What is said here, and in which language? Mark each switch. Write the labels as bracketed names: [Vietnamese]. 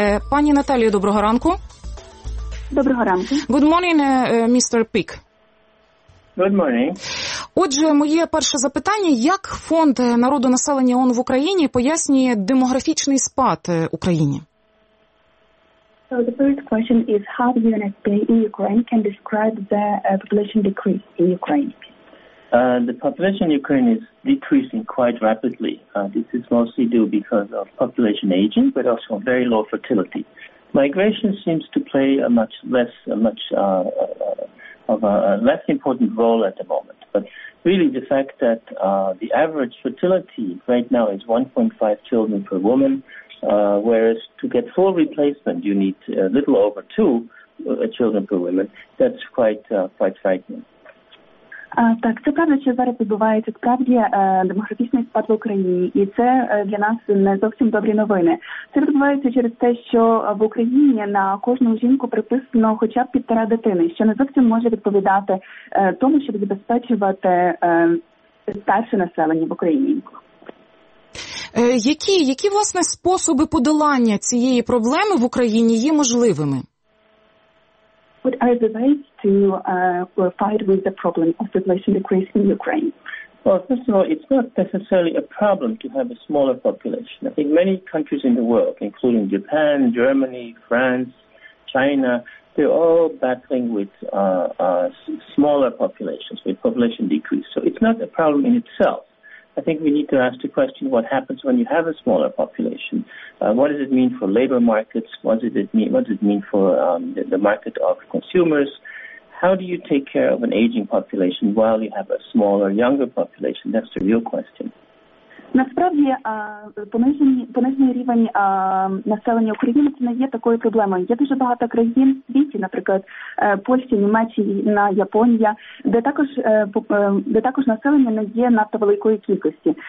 [Ukrainian] Пані Наталію, доброго ранку. Доброго ранку. [English] Good morning, Mr. Peak. Good morning. [Ukrainian] Отже, моє перше запитання. Як фонд народонаселення ООН в Україні пояснює демографічний спад Україні? [English] So the first question is how the UNFP in Ukraine can describe the population decrease in Ukraine? The population in Ukraine is decreasing quite rapidly. This is mostly due because of population aging, but also very low fertility. Migration seems to play a much less, of a less important role at the moment. But really the fact that the average fertility right now is 1.5 children per woman, whereas to get full replacement you need a little over 2 children per woman, that's quite frightening. [Ukrainian] Так, це правда, що зараз відбувається справді демографічний спад в Україні, і це для нас не зовсім добрі новини. Це відбувається через те, що в Україні на кожну жінку приписано хоча б 1,5 дитини, що не зовсім може відповідати тому, щоб забезпечувати старше населення в Україні. Які власне способи подолання цієї проблеми в Україні є можливими? [English] What are the ways to fight with the problem of population decrease in Ukraine? Well, first of all, it's not necessarily a problem to have a smaller population. I think many countries in the world, including Japan, Germany, France, China, they're all battling with smaller populations, with population decrease. So it's not a problem in itself. I think we need to ask the question, what happens when you have a smaller population? What does it mean for labor markets? What does it mean for the market of consumers? How do you take care of an aging population while you have a smaller, younger population? That's the real question. [Ukrainian] Насправді, понижений рівень населення України – це не є такою проблемою. Є дуже багато країн в світі, наприклад, Польща, Німеччина, Японія, де також населення не є надто великої кількості.